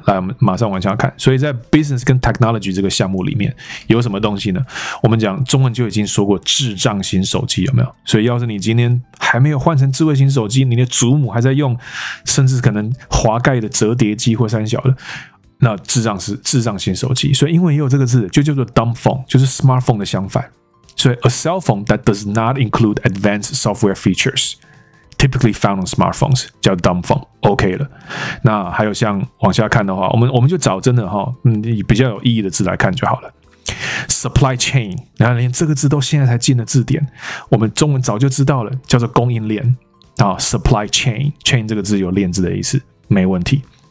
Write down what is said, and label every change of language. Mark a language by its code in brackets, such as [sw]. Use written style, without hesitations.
[zh] 来，我们马上往下看。所以在 business 跟 technology 这个项目里面有什么东西呢？我们讲中文就已经说过智障型手机，有没有？所以要是你今天还没有换成智慧型手机，你的祖母还在用，甚至可能滑盖的折叠机或三小的，那智障是智障型手机。所以英文也有这个字，就叫做 dumb phone， 就是 smartphone 的相反。 [en] 所以 a cell phone that does not include advanced software features typically found on smartphones 叫 dumb phone， OK 了。 [zh] 那还有像往下看的话，我们就找真的哈、比较有意义的字来看就好了。 supply chain， 然后连这个字都现在才进了字典，我们中文早就知道了，叫做供应链啊。 supply chain， chain 这个字有链子的意思，没问题。